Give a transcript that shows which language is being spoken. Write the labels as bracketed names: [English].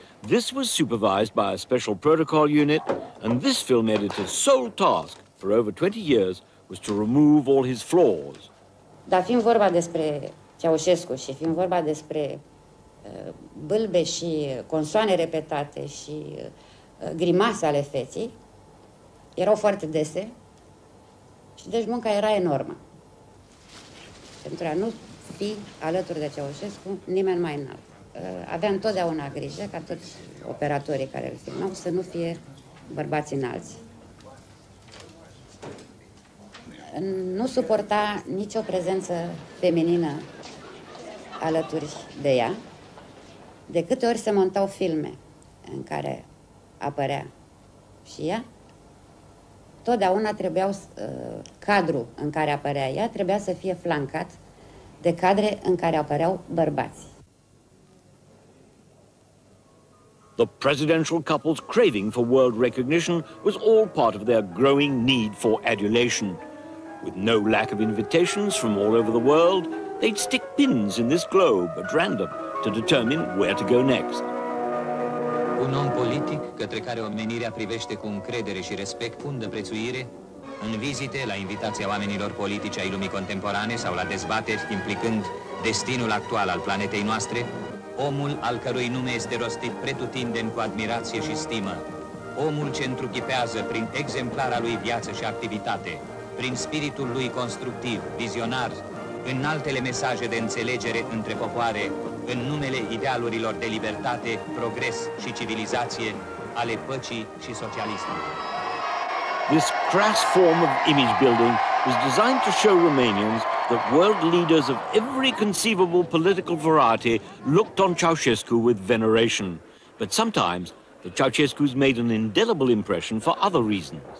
[English] This was supervised by a special protocol unit, and this film editor's sole task for over 20 years was to remove all his flaws. [Romanian] Dar fiind vorba despre Ceausescu și fiind vorba despre bâlbe și consoane repetate și grimase ale feții, erau foarte dese și deci munca era enormă. Pentru a nu fi alături de Ceaușescu, nimeni mai înalt. Aveam totdeauna grijă ca toți operatorii care îl filmau să nu fie bărbați înalți. Nu suporta nicio prezență feminină alături de ea. De câte ori se montau filme în care apărea și ea, totdeauna trebuiau cadrul în care apărea ea trebuia să fie flancat de cadre în care apăreau bărbați. [English] The presidential couple's craving for world recognition was all part of their growing need for adulation. With no lack of invitations from all over the world, they'd stick pins in this globe at random to determine where to go next. [Romanian] Un om politic către care omenirea privește cu încredere și respect fundă prețuire, în vizite, la invitația oamenilor politici ai lumii contemporane sau la dezbateri implicând destinul actual al planetei noastre, omul al cărui nume este rostit pretutindeni cu admirație și stimă, omul ce întruchipează prin exemplara lui viață și activitate, prin spiritul lui constructiv, vizionar, în altele mesaje de înțelegere între popoare, în numele idealurilor de libertate, progres și civilizație, ale păcii și socialismului. [English] This crass form of image building was designed to show Romanians that world leaders of every conceivable political variety looked on Ceausescu with veneration. But sometimes, the Ceausescus made an indelible impression for other reasons.